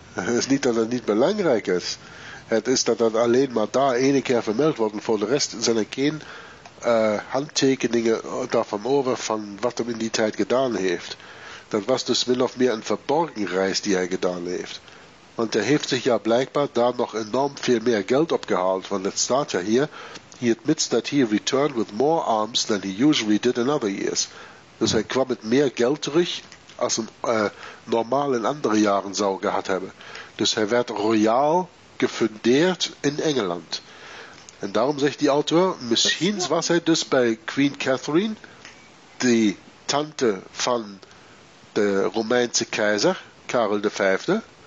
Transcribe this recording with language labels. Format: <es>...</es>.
<nl>Het is niet dat het niet belangrijk is. Het is dat het alleen maar daar één keer vermeld wordt. En voor de rest zijn er geen handtekeningen daarvan over van wat hem in die tijd gedaan heeft. Dat was dus min of meer een verborgen reis die hij gedaan heeft. Want er heeft zich ja blijkbaar daar nog enorm veel meer geld opgehaald. Want het staat ja hier.</nl> <en>He admits that he returned with more arms than he usually did in other years.</en> <nl>Dus hij kwam met meer geld terug als hem normaal in andere jaren zou gehad hebben. Dus hij werd royaal gefundeerd in Engeland. En daarom zegt die auteur, misschien was hij dus bij Queen Catherine, die tante van de Romeinse keizer, Karel de Vijfde,</nl>